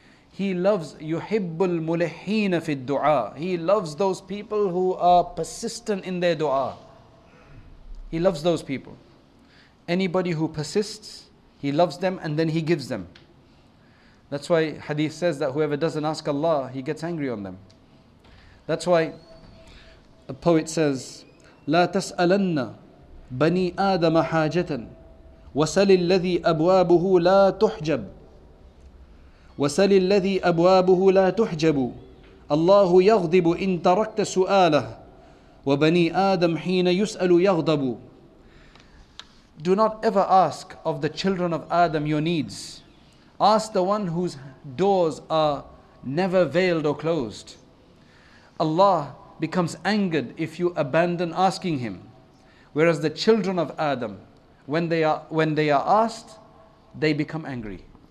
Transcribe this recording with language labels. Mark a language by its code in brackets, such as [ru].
[en] He loves [ar] yuhibbul mulihina fi du'a. [en] He loves those people who are persistent in their du'a. He loves those people. Anybody who persists, He loves them and then He gives them. That's why hadith says that whoever doesn't ask Allah, He gets angry on them. That's why a poet says, [ar] لَا تَسْأَلَنَّ بَنِي آدَمَ حَاجَةً وَسَلِ الَّذِي أَبْوَابُهُ لَا تُحْجَبْ وَسَلِ الَّذِي أَبْوَابُهُ لَا تُحْجَبُ اللَّهُ يَغْضِبُ إِن تَرَكْتَ سُؤَالَهُ وَبَنِي آدَمْ حِينَ يُسْأَلُ يَغْضَبُ. [en] Do not ever ask of the children of Adam your needs. Ask the one whose doors are never veiled or closed. Allah becomes angered if you abandon asking Him. Whereas the children of Adam, when they are asked, they become angry.